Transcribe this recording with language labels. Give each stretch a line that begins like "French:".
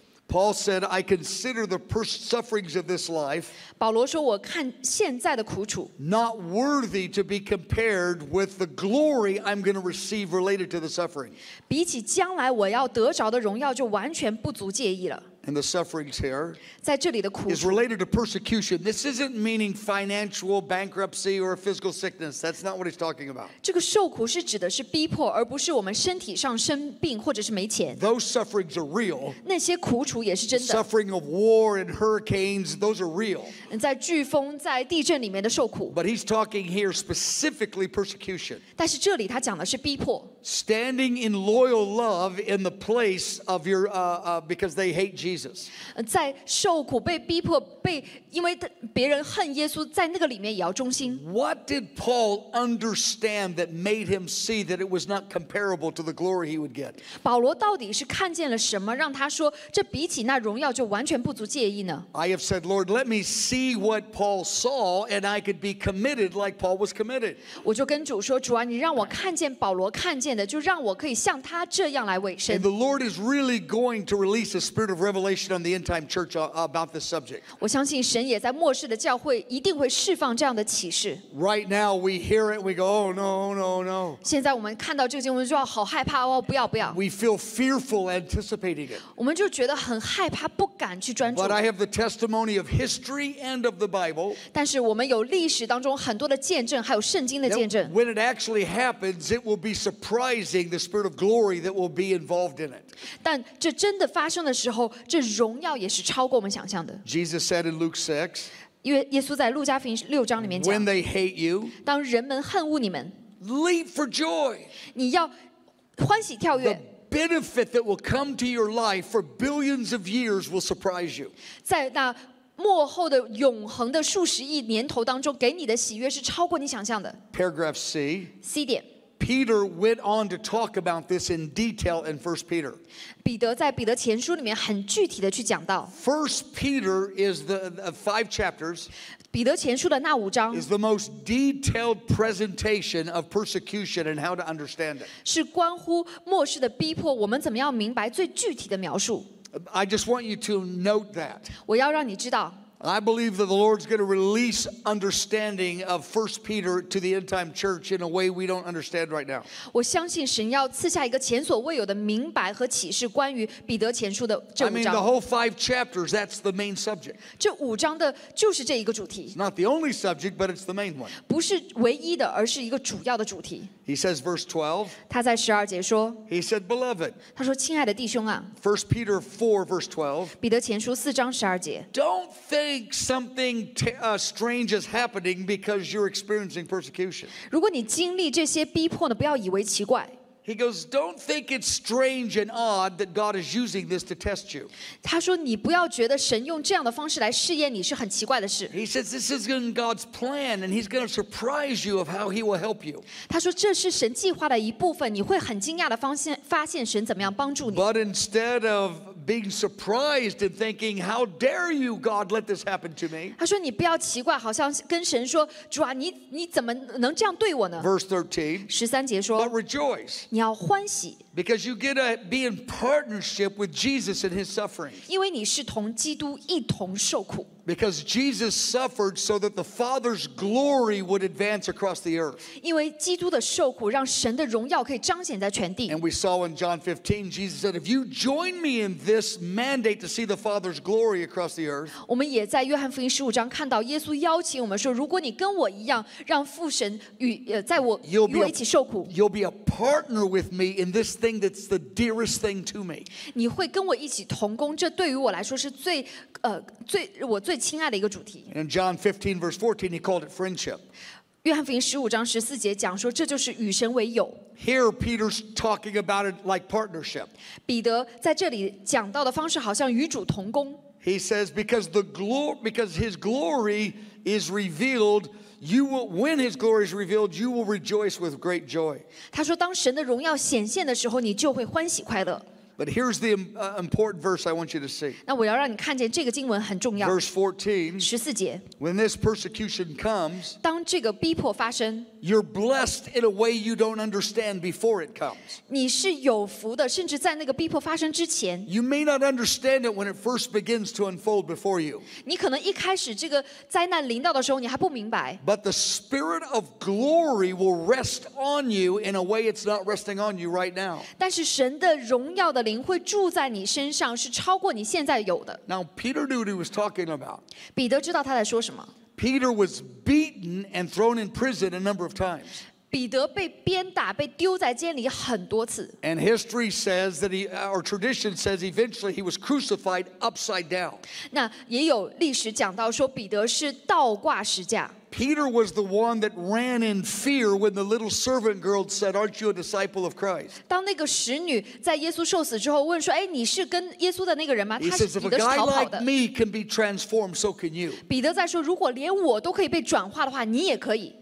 English: Paul said, "I consider the sufferings of this life."
Chinese: 保罗说，我看现在的苦楚
English: not worthy to be compared with the glory I'm going to receive related to the suffering.
Chinese: 比起将来我要得着的荣耀，就完全不足介意了。
English: And the sufferings here
Chinese: 在这里的苦
English: is related to persecution. This isn't meaning financial bankruptcy or physical sickness. That's not what he's talking about.
Chinese: 这个受苦是指的是逼迫，而不是我们身体上生病或者是没钱。
English: Those sufferings are real.
Chinese: 那些苦楚也是真的。
English: Suffering of war and hurricanes, those are real.
Chinese: 在飓风、在地震里面的受苦。
English: But he's talking here specifically persecution.
Chinese: 但是这里他讲的是逼迫。
English: Standing in loyal love in the place of your because they hate Jesus.
Chinese: 在受苦被逼迫被因为别人恨耶稣，在那个里面也要忠心。
English: What did Paul understand that made him see that it was not comparable to the glory he would get?
Chinese: 保罗到底是看见了什么，让他说这比起那荣耀就完全不足介意呢
English: ？I have said, Lord, let me see what Paul saw, and I could be committed like Paul was committed.
Chinese: 我就跟主说，主啊，你让我看见保罗看。就让我可以像他这样来委身。
English: And the Lord is really going to release a spirit of revelation on the end time church about this subject.
Chinese: 我相信神也在末世的教会一定会释放这样的启示。
English: Right now we hear it, we go, oh no, no, no.
Chinese: 现在我们看到这个经文就要好害怕哦，不要不要。
English: We feel fearful anticipating it.
Chinese: 我们就觉得很害怕，不敢去专注。
English: But I have the testimony of history and of the Bible.
Chinese: 但是我们有历史当中很多的见证，还有圣经的见证。
English: When it actually happens, it will be surprising. Surprising the spirit of glory that will be involved in it.
Chinese: 但这真的发生的时候，这荣耀也是超过我们想象的。
English: Jesus said in Luke 6.
Chinese: 因为耶稣在路加福音六章里面讲。
English: When they hate you,
Chinese: 当人们恨恶你们
English: ，leap for joy.
Chinese: 你要欢喜跳跃。
English: The benefit that will come to your life for billions of years will surprise you.
Chinese: 在那。幕后的永恒的数十亿年头当中，给你的喜悦是超过你想象的。
English: Paragraph C.
Chinese: C 点。
English: Peter went on to talk about this in detail in 1 Peter.
Chinese: 彼得在彼得前书里面很具体的去讲到。
English: 1 Peter is the five chapters.
Chinese: 彼得前书的那五章。
English: Is the most detailed presentation of persecution and how to understand it.
Chinese: 是关乎末世的逼迫，我们怎么样明白最具体的描述。
English: I just want you to note that.
Chinese: 我要让你知道。
English: I believe that the Lord's going to release understanding of 1 Peter to the end time church in a way we don't understand right now.
Chinese: 我相信神要赐下一个前所未有的明白和启示，关于彼得前书的这五章。
English: I mean, the whole five chapters, that's the main subject.
Chinese: 这五章的就是这一个主题。
English: Not the only subject, but it's the main one.
Chinese: 不是唯一的，而是一个主要的主题。
English: He says, verse 12.
Chinese: 他在十二节说。
English: He said, beloved.
Chinese: 他说，亲爱的弟兄啊。
English: 1 Peter 4, verse 12.
Chinese: 彼得前书四章十二节。
English: Don't think. Something strange is happening because you're experiencing persecution.
Chinese: 如果你经历这些逼迫呢，不要以为奇怪。
English: He goes, "Don't think it's strange and odd that God is using this to test you."
Chinese: 他说你不要觉得神用这样的方式来试验你是很奇怪的事。
English: He says, "This is in God's plan, and He's going to surprise you of how He will help you."
Chinese: 他说这是神计划的一部分，你会很惊讶的发现神怎么样帮助你。
English: But instead of being surprised and thinking, "How dare you, God, let this happen to me?"
Chinese: 他说你不要奇怪，好像跟神说，主啊，你怎么能这样对我呢
English: ？Verse 13.
Chinese: 十三节说。
English: But rejoice.
Chinese: 你要欢喜。
English: Because you get to be in partnership with Jesus in His suffering.
Chinese: 因为你是同基督一同受苦。
English: Because Jesus suffered so that the Father's glory would advance across the earth.
Chinese: 因为基督的受苦让神的荣耀可以彰显在全地。
English: And we saw in John 15, Jesus said, "If you join me in this mandate to see the Father's glory across the earth."
Chinese: 我们也在约翰福音十五章看到耶稣邀请我们说，如果你跟我一样让父神与在我与我一起受苦
English: ，You'll be a partner with me in this. Thing that's the dearest thing to me.
Chinese: 你会跟我一起同工，这对于我来说是最最我最亲爱的一个主题。
English: In John 15 verse 14, he called it friendship.
Chinese: 约翰福音十五章十四节讲说，这就是与神为友。
English: Here Peter's talking about it like partnership.
Chinese: 彼得在这里讲到的方式好像与主同工。
English: He says because his glory is revealed, when his glory is revealed, you will rejoice with great joy.
Chinese: 他说当神的荣耀显现的时候，你就会欢喜快乐。
English: But here's the important verse I want you to see.
Chinese: 那我要让你看见这个经文很重要。
English: Verse 14.
Chinese: 十四节。
English: When this persecution comes,
Chinese: 当这个逼迫发生。
English: You're blessed in a way you don't understand before it comes.
Chinese: 你是有福的，甚至在那个逼迫发生之前。
English: You may not understand it when it first begins to unfold before you.
Chinese: 你可能一开始这个灾难临到的时候，你还不明白。
English: But the Spirit of glory will rest on you in a way it's not resting on you right now.
Chinese: 但是神的荣耀的灵会住在你身上，是超过你现在有的。
English: Now Peter knew what he was talking about.
Chinese: 彼得知道他在说什么。
English: Peter was beaten and thrown in prison a number of times.
Chinese: 彼得被鞭打，被丢在监里很多次。
English: And history says that he, or tradition says, eventually he was crucified upside down.
Chinese: 那也有历史讲到说彼得是倒挂十架。
English: Peter was the one that ran in fear when the little servant girl said, "Aren't you a disciple of Christ?"
Chinese: 当那个使女在耶稣受死之后问说，哎，你是跟耶稣的那个人吗？他是彼得是逃跑的。
English: He says, "If a guy like me can be transformed, so can you."
Chinese: 彼得在说，如果连我都可以被转化的话，你也可以。